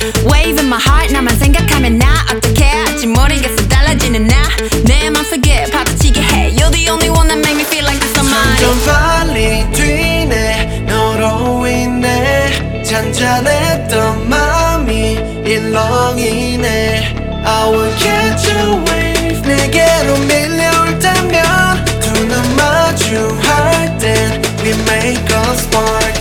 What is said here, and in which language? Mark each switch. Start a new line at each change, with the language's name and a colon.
English: Wave in my heart,
Korean: 나만 생각하면 나 어떡해. 아직 모르겠어, 달라지는 나. 내 맘 속에 파도치게 해.
English: You're the only one that make me feel like this, somebody.
Korean: 점점 빨리 뛰네, 너로 인해. 잔잔했던 맘이 일렁이네.
English: I will catch a wave.
Korean: 내게로 밀려올 때면, 두 눈 마주할 땐,
English: we make a spark.